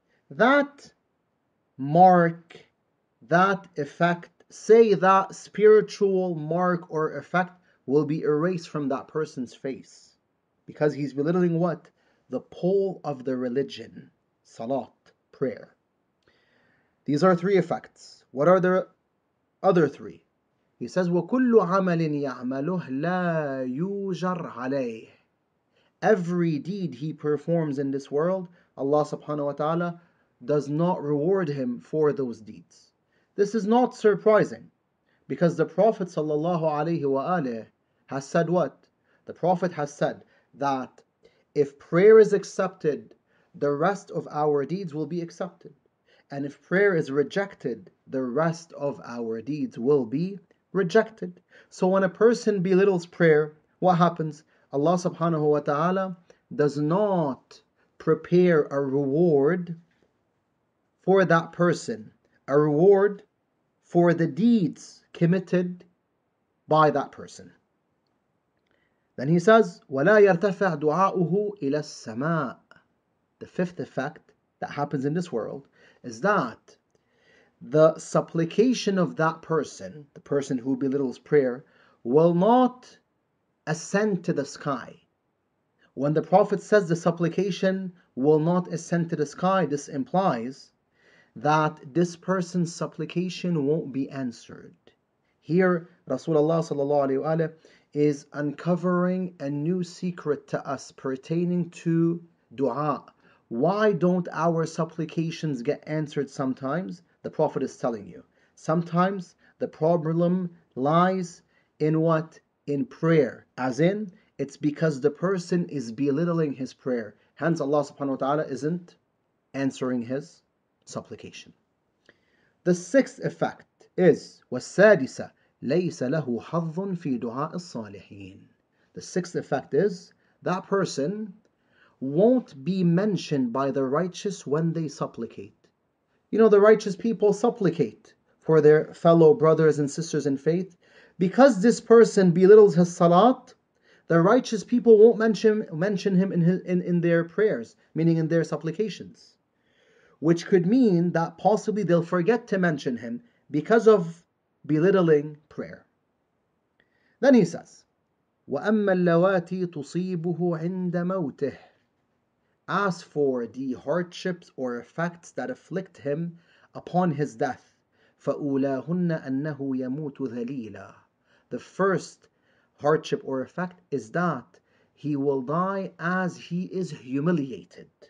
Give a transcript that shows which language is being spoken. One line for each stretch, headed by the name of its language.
English: That mark, that effect, say that spiritual mark or effect will be erased from that person's face. Because he's belittling what? The pole of the religion. Salat, prayer. These are three effects. What are the other three? He says,
Arabic: وَكُلُّ عَمَلٍ يَعْمَلُهُ لَا يُجَرْ عَلَيْهِ.
English: Every deed he performs in this world, Allah subhanahu wa ta'ala does not reward him for those deeds. This is not surprising, because the Prophet sallallahu alayhi wa alayhi has said what? The Prophet has said that if prayer is accepted, the rest of our deeds will be accepted. And if prayer is rejected, the rest of our deeds will be rejected. So when a person belittles prayer, what happens? Allah subhanahu wa ta'ala does not prepare a reward for that person, a reward for the deeds committed by that person. Then he says,
Arabic: وَلَا يَرْتَفَعْ دُعَاؤُهُ إِلَى السَّمَاءِ.
English: The fifth effect that happens in this world is that the supplication of that person, the person who belittles prayer, will not ascend to the sky. When the Prophet says the supplication will not ascend to the sky, this implies that this person's supplication won't be answered. Here, Rasulullah sallallahu alayhi wa alayhi is uncovering a new secret to us pertaining to dua. Why don't our supplications get answered sometimes? The Prophet is telling you. Sometimes the problem lies in what? In prayer. As in, it's because the person is belittling his prayer. Hence, Allah subhanahu wa ta'ala isn't answering his supplication. The sixth effect is,
Arabic: وَالسَّادِسَ لَيْسَ لَهُ حَظٌ فِي دُعَاءِ الصَّالِحِينَ.
English: The sixth effect is, that person won't be mentioned by the righteous when they supplicate. You know, the righteous people supplicate for their fellow brothers and sisters in faith. Because this person belittles his salat, the righteous people won't mention him in their prayers, meaning in their supplications. Which could mean that possibly they'll forget to mention him because of belittling prayer. Then he says,
Arabic: وَأَمَّا اللَّوَاتِي تُصِيبُهُ عِنْدَ مَوْتِهِ.
English: As for the hardships or effects that afflict him upon his death,
Arabic: فَأُولَاهُنَّ أَنَّهُ يَمُوتُ ذَلِيلًا.
English: The first hardship or effect is that he will die as he is humiliated.